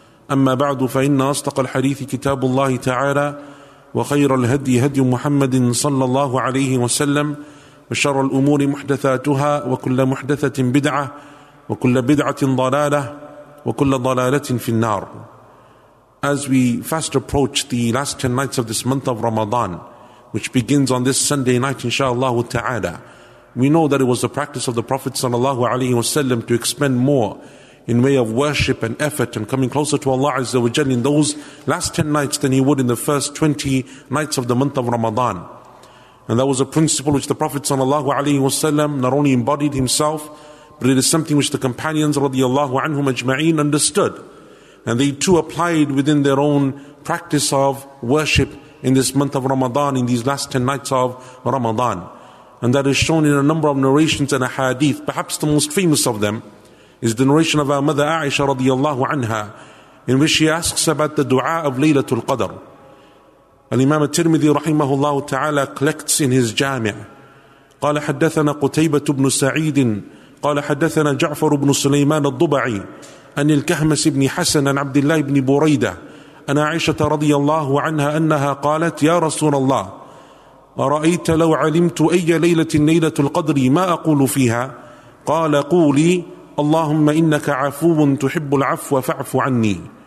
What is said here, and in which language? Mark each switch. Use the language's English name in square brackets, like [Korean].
[Arabic] أما بعد فإن أصدق الحديث كتاب الله تعالى وخير الهدي هدي محمد صلى الله عليه وسلم وشر الأمور محدثاتها وكل محدثة بدعة وكل بدعة ضلالة وكل ضلالة في النار. [English] As we fast approach the last 10 nights of this month of Ramadan, which begins on this Sunday night, [Arabic] inshallah ta'ala, [English] we know that it was the practice of the Prophet [Arabic] sallallahu alayhi wa sallam [English] to expend more in way of worship and effort and coming closer to Allah [Arabic] azza wa jalla [English] in those last 10 nights than he would in the first 20 nights of the month of Ramadan. And that was a principle which the Prophet [Arabic] sallallahu alayhi wa sallam [English] not only embodied himself, but it is something which the companions [Arabic] radiallahu anhum ajma'een [English] understood. And they too applied within their own practice of worship in this month of Ramadan, in these last 10 nights of Ramadan. And that is shown in a number of narrations and a hadith. Perhaps the most famous of them is the narration of our mother Aisha [Arabic] radiallahu anha, [English] in which she asks about the dua of Laylatul Qadr. Al-Imam al-Tirmidhi [Arabic] rahimahullah ta'ala [English] collects in his jami'. [Arabic] قال حدثنا قتيبة بن سعيد قال حدثنا جعفر بن سليمان الضبعي أن الكهمس بن حسن عن عبد الله بن بريدة أن عائشة رضي الله عنها أنها قالت يا رسول الله أرأيت لو علمت أي ليلة ليلة القدر ما أقول فيها قال قولي اللهم إنك عفو تحب العفو فاعف عني.